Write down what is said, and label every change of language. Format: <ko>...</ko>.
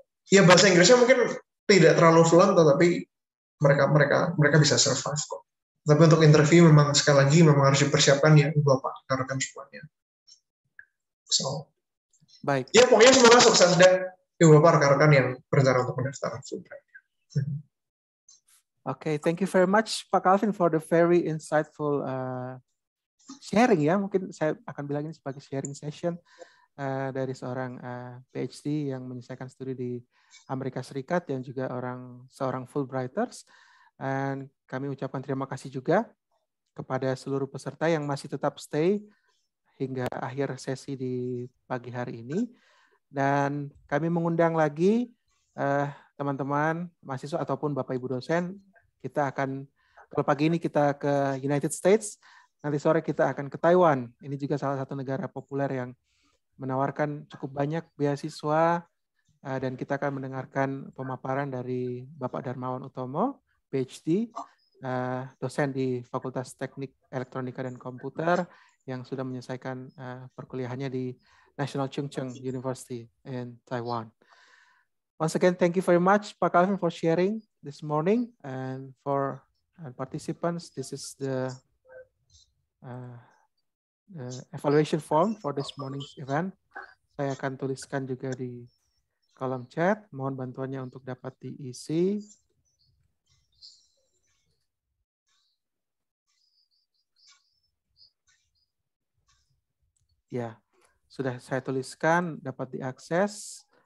<id>Ya bahasa Inggrisnya mungkin tidak terlalu fluent, tapi mereka bisa survive kok. Tapi untuk interview memang sekali lagi memang harus dipersiapkan ya Ibu Bapak, rekan-rekan semuanya.</id> <en>So,</en> <id>baik. Ya pokoknya semoga sukses dan Ibu Bapak, rekan-rekan yang berencana untuk mendaftar.</id> <en>Okay, thank you very much Pak Calvin for the very insightful sharing ya.</en> <id>Mungkin saya akan bilang ini sebagai sharing session dari seorang PhD yang menyelesaikan studi di Amerika Serikat yang juga seorang Fulbrighters. Dan kami ucapkan terima kasih juga kepada seluruh peserta yang masih tetap stay hingga akhir sesi di pagi hari ini. Dan kami mengundang lagi teman-teman mahasiswa ataupun Bapak-Ibu dosen, kita akan Kalau pagi ini kita ke United States, nanti sore kita akan ke Taiwan. Ini juga salah satu negara populer yang menawarkan cukup banyak beasiswa, dan kita akan mendengarkan pemaparan dari Bapak Darmawan Utomo, PhD, dosen di Fakultas Teknik Elektronika dan Komputer yang sudah menyelesaikan perkuliahannya di National Chung Cheng University in Taiwan.</id> <en>Once again, thank you very much, Pak Calvin, for sharing this morning. And for participants, this is the evaluation form for this morning's event.</en> <id>Saya akan tuliskan juga di kolom chat. Mohon bantuannya untuk dapat diisi. Ya, sudah saya tuliskan, dapat diakses.</id>